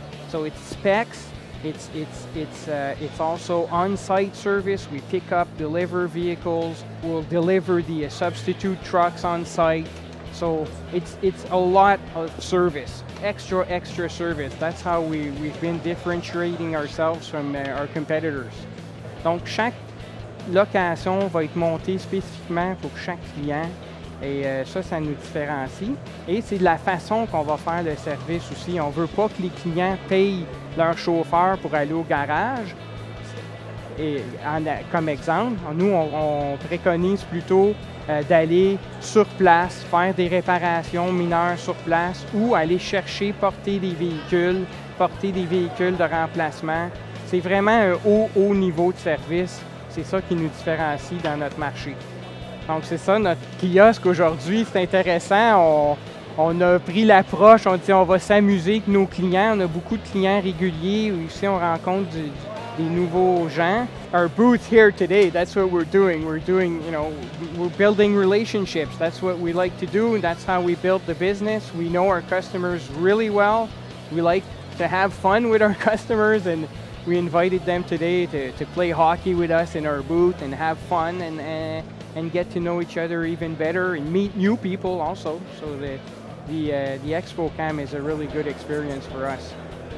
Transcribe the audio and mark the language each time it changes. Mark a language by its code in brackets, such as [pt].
[en] So it's specs. It's also on-site service. We pick up, deliver vehicles. We'll deliver the substitute trucks on-site. So it's a lot of service, extra service. That's how we've been differentiating ourselves from our competitors. [fr] Donc chaque location va être montée spécifiquement pour chaque client. Et ça nous différencie. Et c'est de la façon qu'on va faire le service aussi. On ne veut pas que les clients payent leur chauffeur pour aller au garage. Et comme exemple, nous, on préconise plutôt d'aller sur place, faire des réparations mineures sur place ou aller chercher, porter des véhicules de remplacement. C'est vraiment un haut niveau de service. C'est ça qui nous différencie dans notre marché. Donc, c'est ça, notre kiosque aujourd'hui, c'est intéressant. On a pris l'approche, on dit on va s'amuser avec nos clients. On a beaucoup de clients réguliers. Ici, on rencontre des nouveaux gens. [en] Our booth here today, that's what we're doing. We're doing, you know, we're building relationships. That's what we like to do. That's how we build the business. We know our customers really well. We like to have fun with our customers and we invited them today to play hockey with us in our booth and have fun and get to know each other even better and meet new people also. So the Expo Cam is a really good experience for us.